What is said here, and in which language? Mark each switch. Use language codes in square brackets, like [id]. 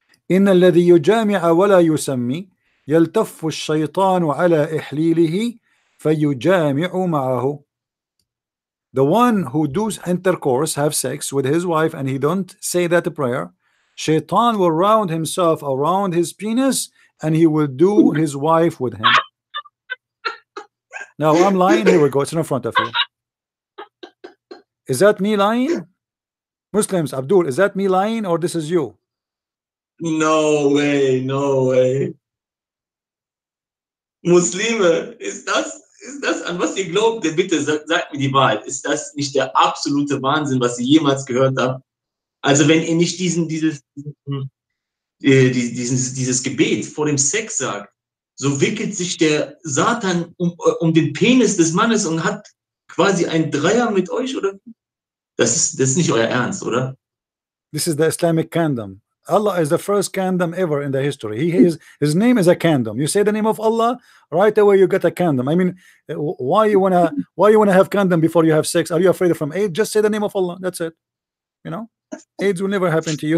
[ar] إن الذي يجامع ولا يسمي يلتف الشيطان على إحليله فيجامع معه. [en] The one who does intercourse, have sex with his wife, and he don't say that prayer, Shaitan will round himself around his penis, and he will do his wife with him. Now, I'm lying. Here we go. It's in front of you. Is that me lying? Muslims, Abdul, is that me lying, or this is you? No way. No way. Muslime, is that... [de] Ist das, an was ihr glaubt, denn bitte sagt mir die Wahrheit, ist das nicht der absolute Wahnsinn, was ihr jemals gehört habt? Also wenn ihr nicht dieses Gebet vor dem Sex sagt, so wickelt sich der Satan um den Penis des Mannes und hat quasi einen Dreier mit euch, oder? Das ist nicht euer Ernst, oder? [en] This is the Islamic kingdom. Allah is the first kingdom ever in the history. His name is a kingdom. You say the name of Allah, right away you get a kingdom. I mean, why you wanna have kingdom before you have sex? Are you afraid of AIDS? Just say the name of Allah. That's it. You know, AIDS will never happen to you.